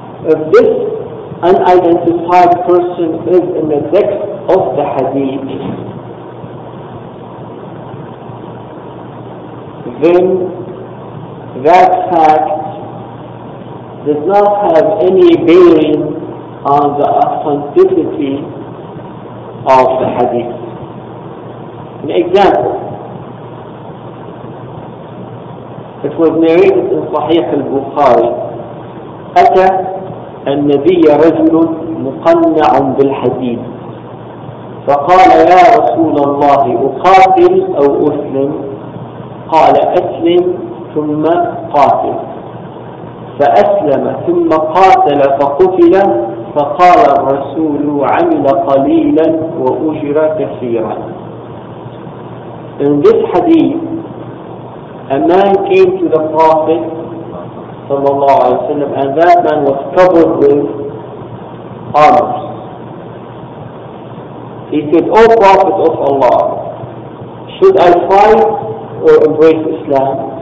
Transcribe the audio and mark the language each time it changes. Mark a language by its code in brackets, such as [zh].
[en] If this unidentified person is in the text of the hadith, then that fact does not have any bearing on the authenticity of the hadith. An example, it was narrated in Sahih al-Bukhari, [ar] أتى النبي رجل مقنع بالحديد فقال يا رسول الله أقاتل أو أسلم؟ قال أسلم ثم قاتل. فأسلم ثم قاتل فقتل. فقال الرسول عمل قليلا وأجر كثيرا. [en] In this hadith, a man came to the Prophet [ar] صلى الله عليه وسلم [en] and that man was covered with honors. He said, O Prophet of Allah, should I fight or embrace Islam?